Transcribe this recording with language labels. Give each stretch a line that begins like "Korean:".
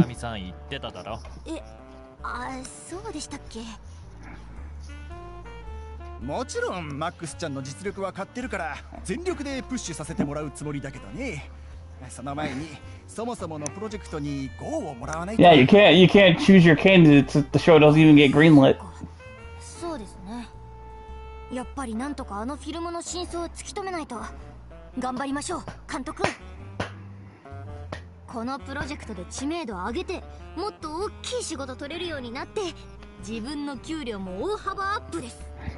Japanese: 磯上さん言ってただろ。え、あ、そうでしたっけ。もちろんマックスちゃんの実力は買ってるから全力でプッシュさせてもらうつもりだけどね。その前にそもそものプロジェクトにゴーをもらわないと。
English: Yeah, you can't choose your candidates if the show doesn't even get greenlit.
Japanese: そうですね。やっぱりなんとかあのフィルムの真相を突き止めないと。頑張りましょう、監督。このプロジェクトで知名度を上げて、もっと大きい仕事取れるようになって、自分の給料も大幅アップです。